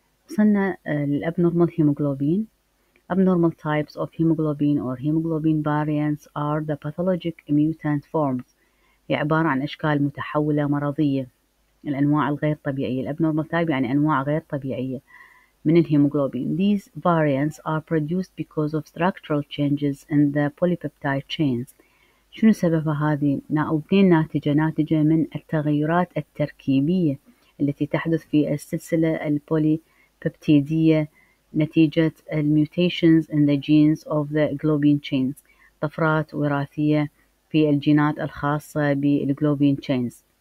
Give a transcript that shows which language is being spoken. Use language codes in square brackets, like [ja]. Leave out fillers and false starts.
[ar] وصلنا للأبنورمال هيموغلوبين. [en] Abnormal types of hemoglobin or hemoglobin variants are the pathologic mutant forms. [ar] هي عبارة عن أشكال متحولة مرضية، الأنواع الغير طبيعية. [en] Abnormal type [ar] يعني أنواع غير طبيعية من الهيموغلوبين. [en] These variants are produced because of structural changes in the polypeptide chains. [ar] شنو سبب هذه؟ نوعين ناتجة من التغيرات التركيبية التي تحدث في السلسلة البوليبيبتيدية نتيجة الميوتيشنز [en] in the genes of the globin chains. [ar] طفرات وراثية في الجينات الخاصة بال [en] globin chains.